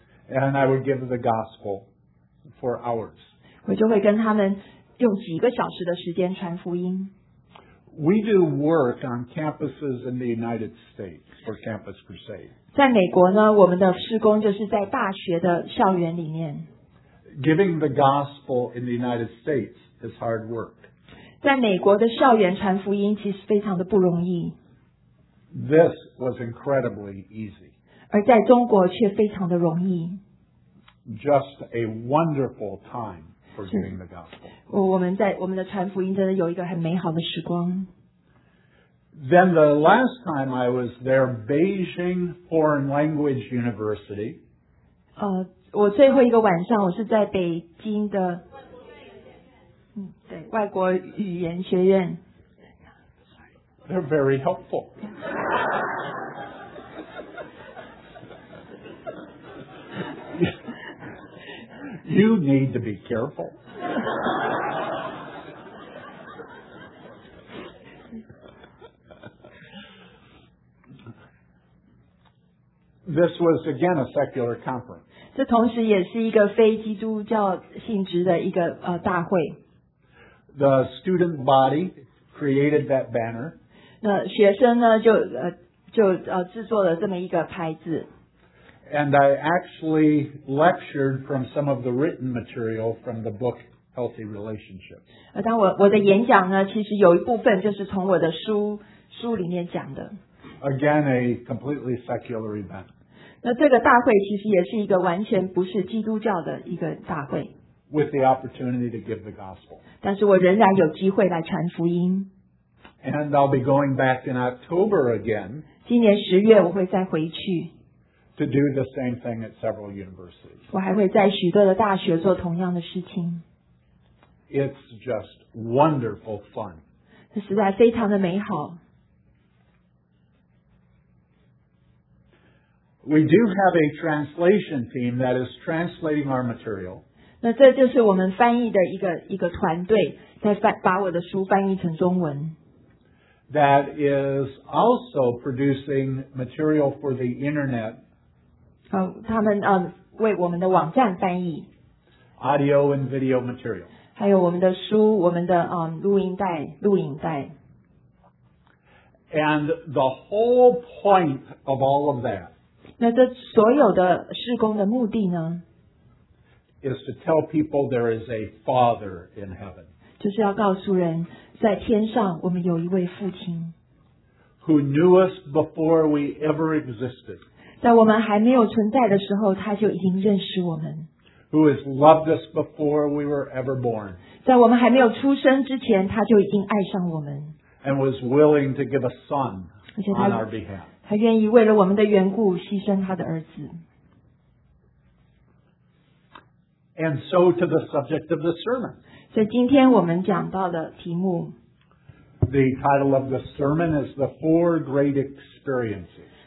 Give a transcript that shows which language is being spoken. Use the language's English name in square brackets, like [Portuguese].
[English] And I would give the gospel for hours. [Chinese] 我就会跟他们用几个小时的时间传福音。 [English] We do work on campuses in the United States for Campus Crusade. [Chinese] 在美国呢，我们的事工就是在大学的校园里面。 [English] Giving the gospel in the United States is hard work. [Chinese] 在美国的校园传福音其实非常的不容易。 [English] This was incredibly easy. [Chinese] 而在中国却非常的容易。 [English] Just a wonderful time for giving the gospel. [Chinese] 我们的传福音真的有一个很美好的时光。 [English] Then the last time I was there, Beijing Foreign Language University. [Chinese] 我最后一个晚上我是在北京的对外国语言学院。 [English] They're very helpful. You need to be careful. This was again a secular conference. [Chinese] 这同时也是一个非基督教性质的一个大会。 [English] The student body created that banner. [Chinese] 那学生呢就制作了这么一个牌子。 [English] And I actually lectured from some of the written material from the book Healthy Relationships. [Chinese] 当我的演讲呢其实有一部分就是从我的书里面讲的。 [English] Again, a completely secular event. [Chinese] 那这个大会其实也是一个完全不是基督教的一个大会。 [English] With the opportunity to give the gospel. [Chinese] 但是我仍然有机会来传福音。 [English] And I'll be going back in October again. [Chinese] 今年十月我会再回去。 [English] To do the same thing at several universities. [Chinese] 我还会在许多的大学做同样的事情。 [English] It's just wonderful fun. [Chinese] 这实在非常的美好。 [English] We do have a translation team that is translating our material. [Chinese] 那这就是我们翻译的一个团队，在把我的书翻译成中文。 [English] That is also producing material for the internet. [Chinese] 他们为我们的网站翻译。 [English] Audio and video material. [Chinese] 还有我们的书，我们的录音带。 [English] And the whole point of all of that [Chinese] 那这所有的事工的目的呢 [English] is to tell people there is a Father in heaven [Chinese] 就是要告诉人在天上我们有一位父亲 [English] who knew us before we ever existed [Chinese] 在我们还没有存在的时候他就已经认识我们 [English] who has loved us before we were ever born [Chinese] 在我们还没有出生之前他就已经爱上我们 [English] And was willing to give a son on our behalf. [Chinese] 他愿意为了我们的缘故牺牲他的儿子。 [English] And so to the subject of the sermon. [Chinese] 所以今天我们讲到的题目。 [English] The title of the sermon is the four great experiences.